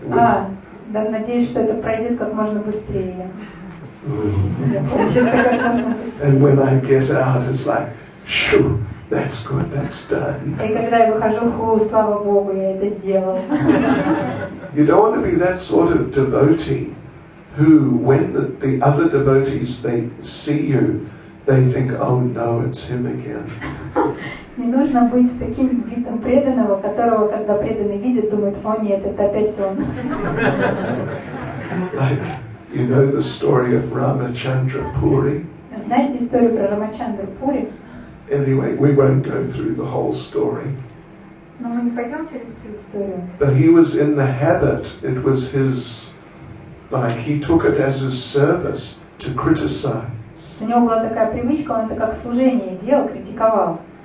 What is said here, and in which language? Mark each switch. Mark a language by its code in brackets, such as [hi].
[ru] Да, надеюсь, что это пройдет как можно быстрее. [en] And when I get out, it's like, shoo, that's good, that's done. You don't want to be that sort of devotee who, when the other devotees, they see you, they think, oh no, it's him again. [ru] Не нужно быть таким видом преданного, которого, когда преданный видит, думает, о нет, это опять он. [en] Like, you know the story of Ramachandra Puri? [ru] Знаете историю про Рамачандра Пури? [en] Anyway, we won't go through the whole story. [ru] Но мы не пойдем через всю историю. [en] But he was in the habit, it was his, like, he took it as his service to criticize. [ru] У него была такая привычка, он это как служение делал, критиковал.